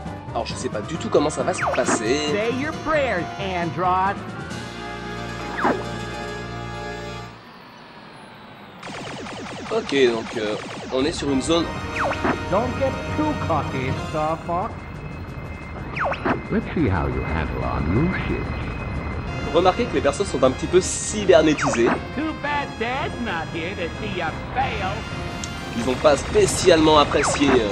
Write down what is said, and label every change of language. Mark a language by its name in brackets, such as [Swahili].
[French] Alors je sais pas du tout comment ça va se passer. [English] Say your prayers, Android. [French] Ok, donc on est sur une zone. [English] Don't get too cocky, Star Fox. Let's see how you handle our new ship. [French] Remarquez que les persos sont un petit peu cybernétisés. [English] Too bad Dad's not here to see you fail. [French] Ils vont pas spécialement apprécier.